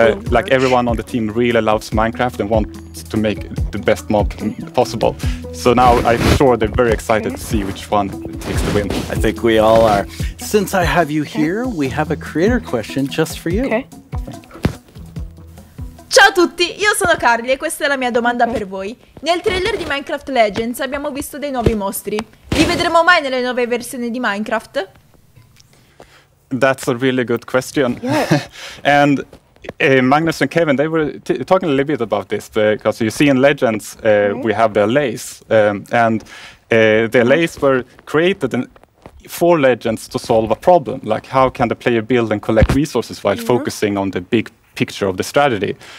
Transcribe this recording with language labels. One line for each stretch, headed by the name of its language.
English: Like, everyone on the team really loves Minecraft and wants to make the best mob possible. So now I'm sure they're very excited to see which one takes the win. I think we all are. Since I have you here, we have a creator question just for you.
Italian: Ciao a tutti, io sono Carly e questa è la mia domanda per voi. Nel trailer di Minecraft Legends abbiamo visto dei nuovi mostri. Li vedremo mai nelle nuove versioni di Minecraft?
English: That's a really good question. Yeah. And Magnus and Kevin, they were talking a little bit about this, because you see in Legends we have the Allays. The Allays were created for Legends to solve a problem. Like, how can the player build and collect resources while focusing on the big picture of the strategy.